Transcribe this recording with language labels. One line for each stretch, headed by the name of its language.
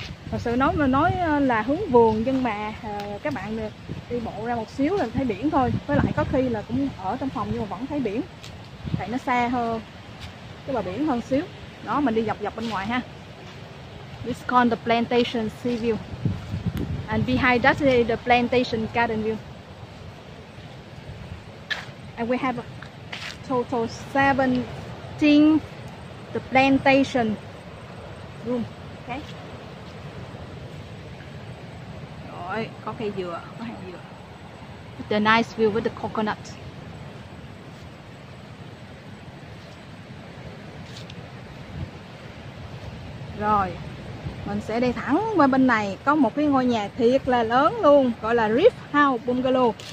Vietnamese: Thật sự nói là hướng vườn, nhưng mà các bạn đi bộ ra một xíu là thấy biển thôi. Với lại có khi là cũng ở trong phòng nhưng mà vẫn thấy biển, tại nó xa hơn cái bờ biển hơn xíu. Đó, mình đi dọc bên ngoài ha.
English: This is called the plantation sea view. And behind that is the plantation garden view. And we have a total 17 the plantation room. Okay.
Vietnamese: Rồi, có cây dừa, có hàng dừa.
English: With the nice view with the coconut.
Vietnamese: Rồi. Mình sẽ đi thẳng qua bên này, có một cái ngôi nhà thiệt là lớn luôn, gọi là Reef House Bungalow.